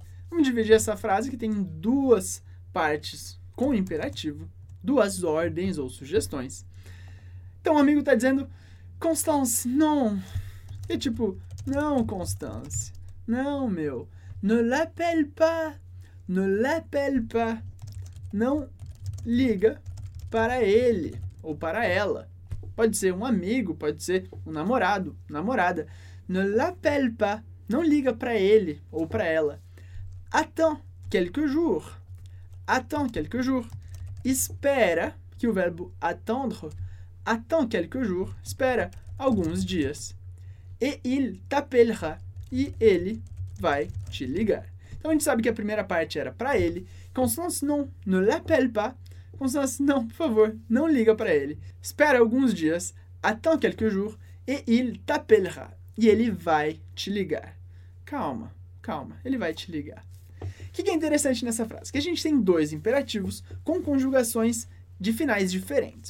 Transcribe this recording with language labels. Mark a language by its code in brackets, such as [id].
[pt] Vamos dividir essa frase que tem duas partes com imperativo, duas ordens ou sugestões. Então, o amigo está dizendo, Constance, não. E tipo, não, Constance, não, meu. [fr] Ne l'appelle pas, ne l'appelle pas. [pt] Não liga para ele ou para ela. Pode ser um amigo, pode ser um namorado, namorada. [fr] Ne l'appelle pas, [pt] não liga para ele ou para ela. [fr] Attends quelques jours. Attends quelques jours. [pt] Espera, que o verbo attendre, [fr] attends quelques jours, [pt] espera alguns dias. [fr] Et il t'appellera, [pt] e ele vai te ligar. Então a gente sabe que a primeira parte era para ele. [fr] Constance, non, ne l'appelle pas. [pt] Constance, não, por favor, não liga para ele. Espera alguns dias, [fr] attends quelques jours, et il t'appellera, [pt] e ele vai te ligar. Calma, calma, ele vai te ligar. O que é interessante nessa frase? Que a gente tem dois imperativos com conjugações de finais diferentes.